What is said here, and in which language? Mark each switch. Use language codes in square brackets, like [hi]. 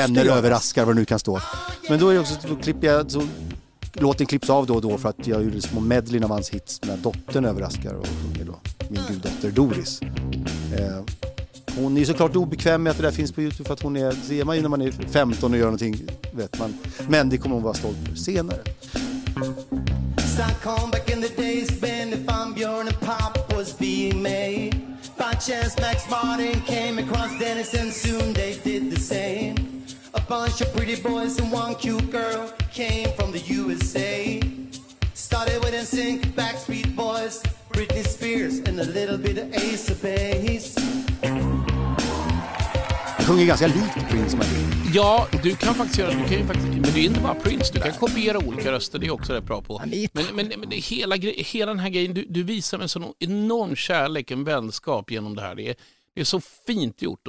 [sv] vänner överraskar vad nu kan stå. Men då är det också, då klipper jag, så låten klipps av då för att jag gjorde små medlin av hans hits när dottern överraskar och sjunger då, min guddotter Doris. Hon är såklart obekväm med att det där finns på YouTube, för att hon är, ser man ju när man är 15 och gör någonting, vet man. Men det kommer hon vara stolt för senare. [en] So I come back in the days when if I'm Björn and pop was being made. By chance Max Martin came across Dennis and soon they did the same. A bunch of pretty boys and one cute girl came from the USA. Started with NSYNC, Backstreet Boys, Britney Spears and a little bit of Ace of Base. [sv] Jag sjunger ganska likt Prince. Ja, du kan faktiskt göra det. Men det är inte bara Prince. Du kan kopiera olika röster. Det är också det bra på. Men det, hela den här grejen. Du visar en sån enorm kärlek. En vänskap genom det här. Det är så fint gjort.